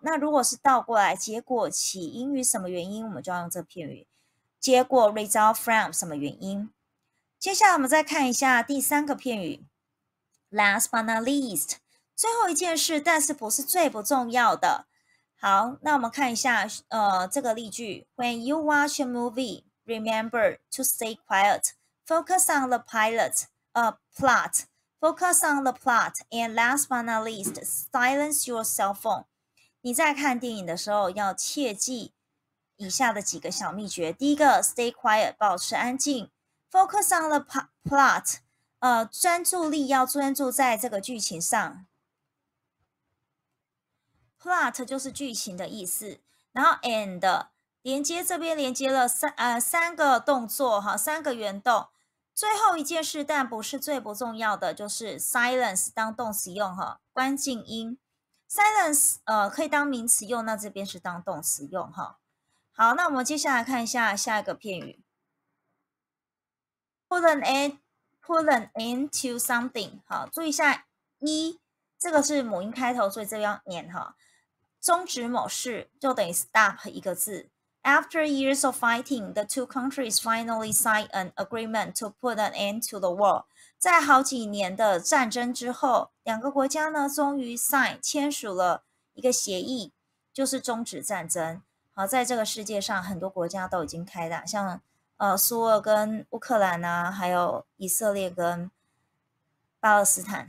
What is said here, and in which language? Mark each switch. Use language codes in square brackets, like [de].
[zh] 那如果是倒过来，结果起因于什么原因，我们就要用这片语，结果 [en] result from [zh] 什么原因。接下来我们再看一下第三个片语， [en] last but not least， [zh] 最后一件事，但是不是最不重要的。好，那我们看一下这个例句。 [en] When you watch a movie, remember to stay quiet. Focus on the pilot, plot. Focus on the plot. And last but not least, silence your cell phone. [zh] 你在看电影的时候要切记以下的几个小秘诀。第一个， [en] stay quiet, [zh] 保持安静。 [en] Focus on the plot, [zh] 专注力要专注在这个剧情上。 Plot 就是剧情的意思，然后 and 连接，这边连接了 三个动作，三个原动。最后一件事但不是最不重要的，就是 silence 当动词用，关静音。 silence 可以当名词用，那这边是当动词用。好，那我们接下来看一下下一个片语， [en] put an end to something。 [zh] 好，注意一下一，这个是母音开头，所以这边要 and，终止某事，就等于 stop 一个字。 [en] After years of fighting, the two countries finally signed an agreement to put an end to the war. [zh] 在好几年的战争之后，两个国家呢终于 sign 签署了一个协议，就是终止战争。好，在这个世界上很多国家都已经开打，像苏俄跟乌克兰啊，还有以色列跟巴勒斯坦。